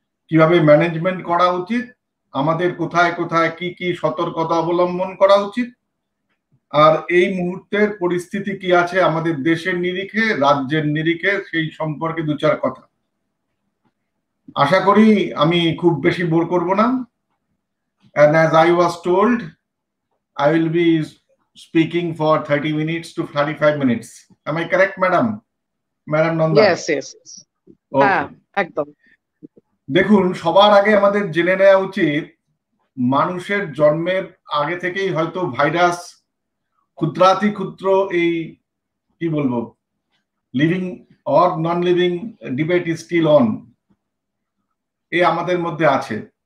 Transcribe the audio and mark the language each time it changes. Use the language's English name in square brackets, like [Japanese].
[Bangla] কিভাবে ম্যানেজমেন্ট করা উচিত, আমাদের কোথায় কোথায় কি কি সতর্কতা অবলম্বন করা উচিত, আর এই মুহূর্তের পরিস্থিতি কি আছে আমাদের দেশের নিরিখে, রাজ্যের নিরিখে, সেই সম্পর্কে দু চার কথা। আশা করি আমি খুব বেশি বোর করব না। [English] And as I was told, I will be speaking for 30 minutes to 35 minutes. Am I correct, madam? Madam Nanda? Yes, yes, yes. Okay. Ah, একদম। [Bangla] দেখুন, সবার আগে আমাদের জেনে নেওয়া উচিত, মানুষের জন্মের আগে থেকেই হয়তো ভাইরাস ক্ষুদ্রাতি ক্ষুদ্র, এই কি বলবো, [English] living or non living debate is still on, [Bangla] এ আমাদের মধ্যে আছে।